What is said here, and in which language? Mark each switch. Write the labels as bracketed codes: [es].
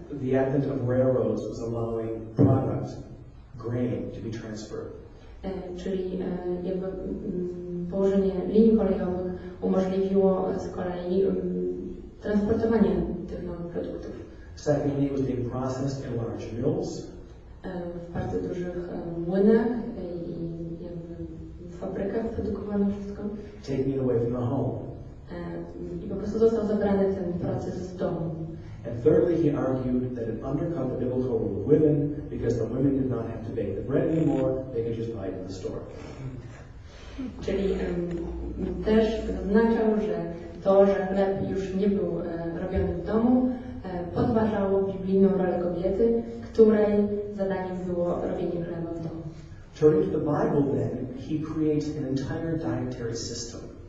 [en] The advent of railroads was allowing products, grain, to be transferred. [pl] Czyli jakby położenie linii kolejowych umożliwiło z kolei transportowanie tych nowych produktów. [en] Secondly, it was being processed in large mills. [pl] W bardzo dużych młynach i w fabrykach produkowano wszystko. [en] Taking it away from the home. [pl] I po prostu został zabrany ten proces z domu. [en] And thirdly, he argued that it undercut the biblical rule of women because the women did not have to bake the bread anymore, they could just buy it in the store. [pl] Czyli też oznaczał, że to, że chleb już nie był robiony w domu, podważało biblijną rolę kobiety, której zadaniem było robienie chleba w domu. [en] Turning to the Bible then, he creates an entire dietary system.